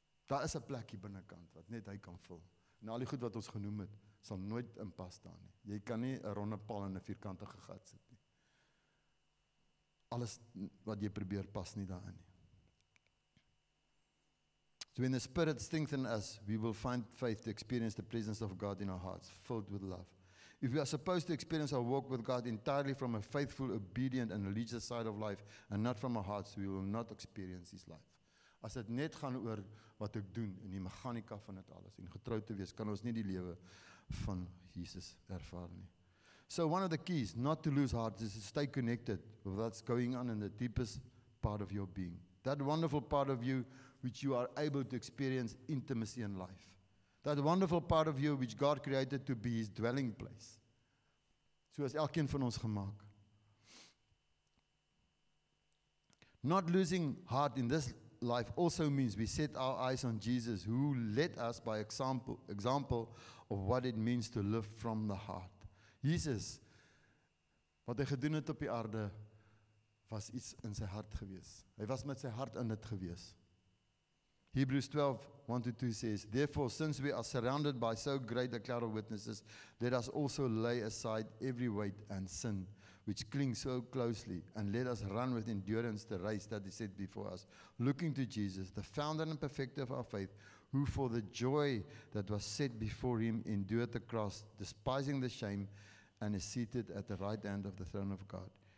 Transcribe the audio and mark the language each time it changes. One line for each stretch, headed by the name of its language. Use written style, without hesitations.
Afrikaans: Daar is 'n plek hier binnekant wat net hy kan vul. En al die goed wat ons genoem het, sal nooit in pas staan nie. Jy kan nie 'n ronde paal in 'n vierkantige gat sit nie. Alles wat jy probeer pas nie daarin nie.
English: So when the Spirit strengthens us, we will find faith to experience the presence of God in our hearts, filled with love. If we are supposed to experience our walk with God entirely from a faithful, obedient and religious side of life and not from our hearts, we will not experience His life.
Afrikaans: As dit net gaan oor wat ek doen en die mechanika van dit alles en getrou te wees, kan ons nie die lewe van Jesus ervaar nie.
English: So one of the keys not to lose heart is to stay connected with what's going on in the deepest part of your being. That wonderful part of you which you are able to experience intimacy in life. That wonderful part of you which God created to be His dwelling place.
Afrikaans: So is elkeen van ons gemaak.
English: Not losing heart in this life also means we set our eyes on Jesus, who led us by example of what it means to live from the heart.
Afrikaans: Jesus, wat hy gedoen het op die aarde, was iets in sy hart gewees. Hy was met sy hart in dit gewees.
English: Hebrews 12:1-2 says, therefore, since we are surrounded by so great a cloud of witnesses, let us also lay aside every weight and sin which clings so closely, and let us run with endurance the race that is set before us, looking to Jesus, the founder and perfecter of our faith, who for the joy that was set before him endured the cross, despising the shame, and is seated at the right hand of the throne of God.